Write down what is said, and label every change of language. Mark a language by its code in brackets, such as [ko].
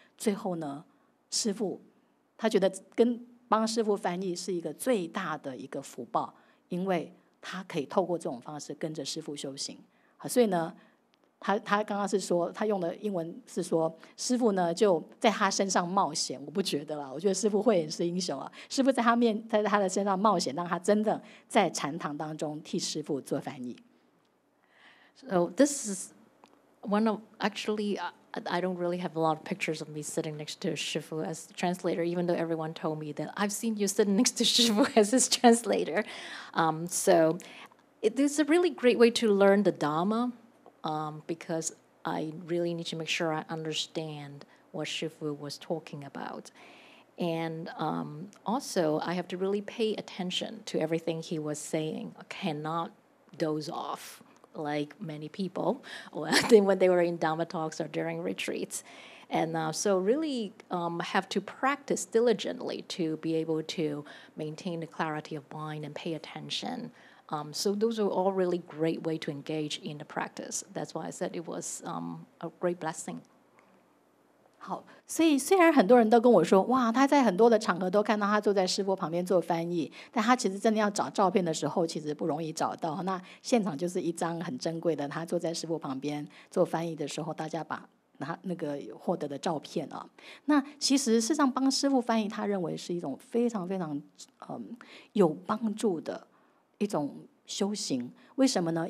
[zh] 最后呢，师父他觉得跟帮师父翻译是一个最大的一个福报，因为他可以透过这种方式跟着师父修行。所以呢 他刚刚是说他用的英文是说，师父呢就在他身上冒险，我不觉得啦，我觉得师父慧眼识英雄啊，师父在他的身上冒险，让他真的在禅堂当中替师父做翻译。 [en] So this is one of actually I don't really have a lot of pictures of me sitting next to Shifu as translator, even though everyone told me that I've seen you sitting next to Shifu as his translator. So it's a really great way to learn the Dharma, because I really need to make sure I understand what Shifu was talking about. And also, I have to really pay attention to everything he was saying. I cannot doze off. Like many people, when they were in Dharma talks or during retreats. And so really have to practice diligently to be able to maintain the clarity of mind and pay attention. So those are all really great way to engage in the practice. That's why I said it was a great blessing. [zh] 好，所以虽然很多人都跟我说，哇，他在很多的场合都看到他坐在师父旁边做翻译，但他其实真的要找照片的时候其实不容易找到。那现场就是一张很珍贵的他坐在师父旁边做翻译的时候大家把他那个获得的照片、啊、那其实事实上帮师父翻译他认为是一种非常非常、有帮助的一种修行。为什么呢？